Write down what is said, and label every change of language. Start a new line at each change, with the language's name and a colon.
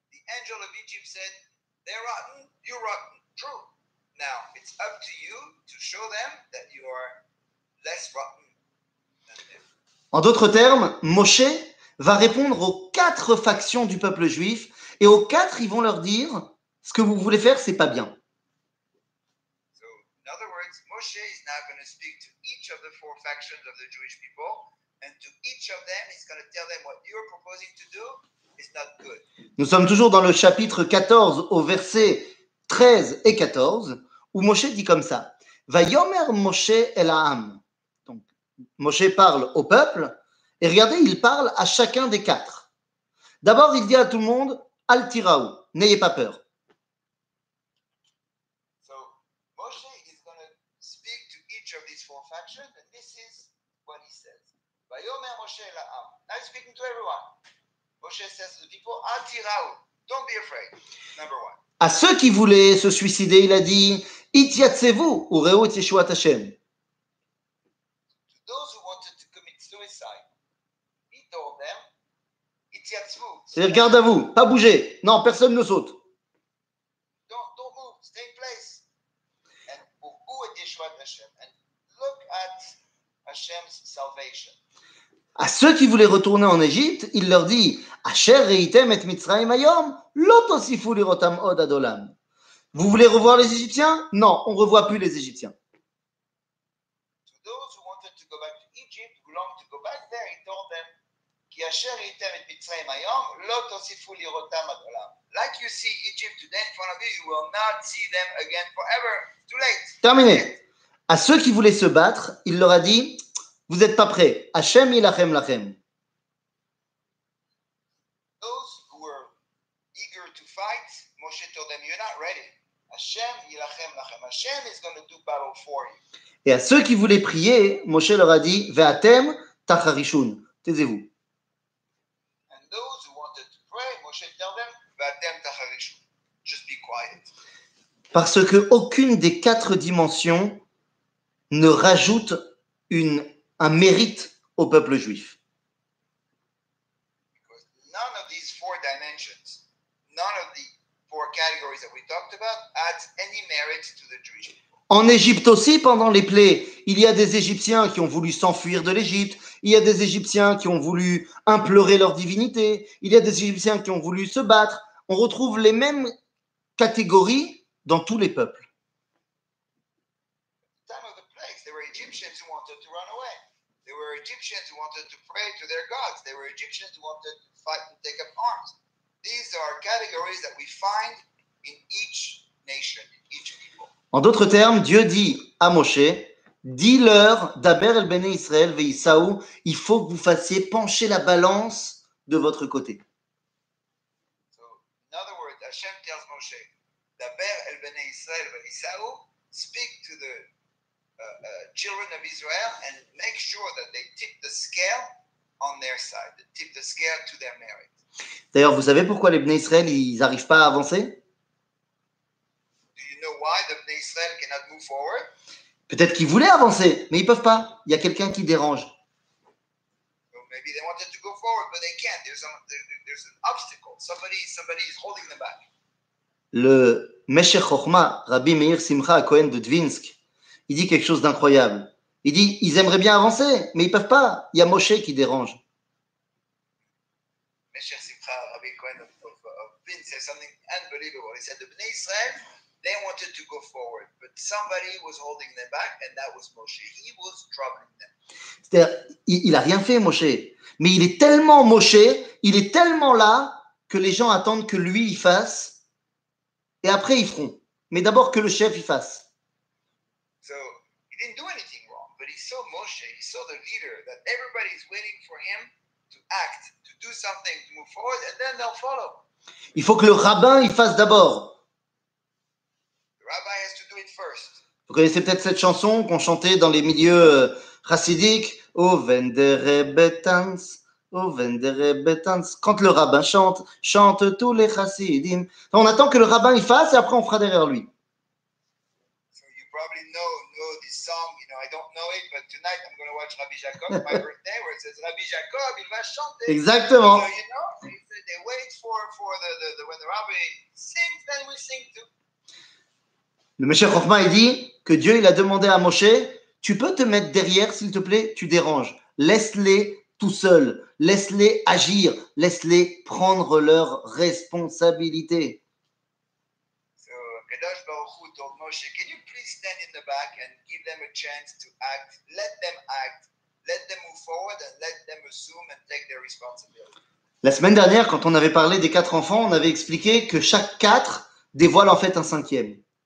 English: Angel of Egypt said, they're rotten, you're rotten. True. Now, it's up to you to show them that you are less rotten than them.
French: En d'autres termes, Moshe va répondre aux quatre factions du peuple juif et aux quatre, ils vont leur dire, ce que vous voulez faire, c'est pas bien.
English: So, in other words, Moshe is now going to speak to each of the four factions of the Jewish people and to each of them, he's going to tell them what you're proposing to do.
French: Nous sommes toujours dans le chapitre 14 au verset 13 et 14 où Moshe dit comme ça.
Hebrew: Vayomer Moshe el ha'am.
French: Donc Moshe parle au peuple et regardez, il parle à chacun des quatre. D'abord, il dit à tout le monde
Hebrew: Al tiraou,
French: n'ayez pas peur.
English: So Moshe is going to speak to each of these four factions and this is what he says.
Hebrew: Vayomer Moshe el ha'am.
English: Now he's speaking to everyone. Moshe says to the people,
Hebrew: Al tiraou,
English: don't be afraid. Number one.
French: À ceux qui voulaient se suicider, il a dit,
Hebrew: Ityatsevu,
French: ou
Hebrew: Reot Yeshua Tashem.
English: To those who wanted to commit suicide, he told them,
Hebrew: Ityatsevu.
French: C'est-à-dire, garde à vous, pas bouger. Non, personne ne saute.
English: Don't move, stay in place. And who is
Hebrew: Yeshua Tashem?
English: And look at Hashem's salvation.
French: À ceux qui voulaient retourner en Égypte, il leur dit
Hebrew: Asher reitem et Mitzrayim ayom, lotosifu lirotam od adolam.
French: Vous voulez revoir les Égyptiens? Non, on ne revoit plus les Égyptiens.
English: To those who wanted to go back to Egypt, who longed to go back there, he told them
Hebrew: Ki Asher reitem et Mitzrayim ayom, lotosifu lirotam adolam.
English: Like you see Egypt today in front of you, you will not see them again forever. Too late.
French: Terminé. À ceux qui voulaient se battre, il leur a dit vous n'êtes pas prêts.
Hebrew: Hashem ilachem lachem.
English: Those who were eager to fight, Moshe told them, you're not ready.
Hebrew: Hashem ilachem lachem.
English: Hashem is going to do battle for you.
French: Et à ceux qui voulaient prier, Moshe leur a dit,
Hebrew: ve'atem tacharishun.
French: Taisez-vous.
English: And those who wanted to pray, Moshe told them,
Hebrew: ve'atem tacharishun.
English: Just be quiet.
French: Parce que aucune des quatre dimensions ne rajoute un mérite au peuple juif.
English: Because none of these four dimensions, none of the four categories that we talked about, adds any merit to the Jewish people.
French: En Égypte aussi, pendant les plaies, il y a des Égyptiens qui ont voulu s'enfuir de l'Égypte, il y a des Égyptiens qui ont voulu implorer leur divinité, il y a des Égyptiens qui ont voulu se battre. On retrouve les mêmes catégories dans tous les peuples.
English: Egyptians who wanted to pray to their gods. There were Egyptians who wanted to fight and take up arms. These are categories that we find in each nation, in each people.
French: En d'autres termes, Dieu dit à Moshe, dis-leur,
Hebrew: Daber el Bene Israël ve Isaou,
French: il faut que vous fassiez pencher la balance de votre côté.
English: So, in other words, Hashem tells Moshe,
Hebrew: Daber el Bene Israël ve Isaou,
English: speak to the children of Israel and make sure that they tip the scale on their side, they tip the scale to their merit.
French: D'ailleurs, vous savez pourquoi les Bnei Israël ils arrivent pas à avancer?
English: Do you know why the Bnei Israël cannot move forward?
French: Peut-être qu'ils voulaient avancer, mais ils peuvent pas. Il y a quelqu'un qui dérange.
English: So maybe they wanted to go forward, but they can't. There's an obstacle. Somebody is holding them back.
French: Le Meshech Chochma, Rabbi Meir Simcha Cohen de Dvinsk. Il dit quelque chose d'incroyable. Il dit, ils aimeraient bien avancer, mais ils ne peuvent pas. Il y a Moshe qui dérange. Mes chers Sifra, Rabbi Cohen of Vin, c'est
English: something unbelievable.
French: Il a dit, les Bnei Israël,
English: they wanted to go forward, but somebody was holding them back, and that was Moshe. He was troubling them.
French: C'est-à-dire, il a rien fait, Moshe. Mais il est tellement Moshe, il est tellement là que les gens attendent que lui, il fasse. Et après, ils feront. Mais d'abord, que le chef, il fasse.
English: So, he didn't do anything wrong, but he saw Moshe, he saw the leader, that everybody is waiting for him to act, to do something, to move forward, and then they'll follow.
French: Il faut que le rabbin, il fasse d'abord.
English: The rabbi has to do it first.
French: Vous connaissez peut-être cette chanson qu'on chantait dans les milieux chassidiques. «
German: Oh, wenn der Rebbe tanzt,
French: oh, wenn der Rebbe tanzt. » Quand le rabbin chante, chante tous les chassidim. On attend que le rabbin y fasse et après on fera derrière lui.
English: So you probably know this song. You know, I don't know it, but tonight I'm going to watch Rabbi Jacob, my birthday, where it says Rabbi Jacob,
French: il va chanter. Exactement.
English: So, you know, they wait for the when the rabbi sings, then we sing too.
French: Le Meshech Chochma, il dit que Dieu, il a demandé à Moshe, tu peux te mettre derrière, s'il te plaît, tu déranges. Laisse-les tout seuls. Laisse-les agir. Laisse-les prendre leurs responsabilités.
English: So, Kadosh Baruch Hu told Moshe, can you please stand in the back and give them a chance to act? Let them act. Let them move forward and let them assume and take their responsibility.
French: La semaine dernière, quand on avait parlé des quatre enfants, on avait expliqué que chaque quatre dévoile en fait un cinquième.